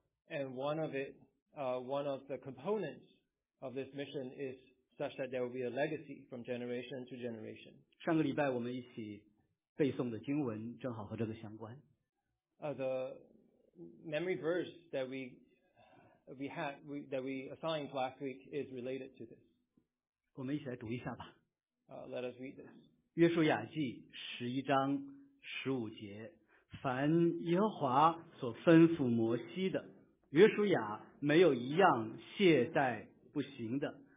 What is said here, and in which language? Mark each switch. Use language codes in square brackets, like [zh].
[en] And one of it, one of the components of this mission is such that there will be a legacy from generation to generation. [zh] 上个礼拜我们一起背诵的经文正好和这个相关。 [en] The memory verse that we assigned last week is related to this. [zh] 我们一起来读一下吧。 [en] Let us read this. [zh] 约书亚记十一章十五节，凡耶和华所吩咐摩西的，约书亚没有一样懈怠不行的。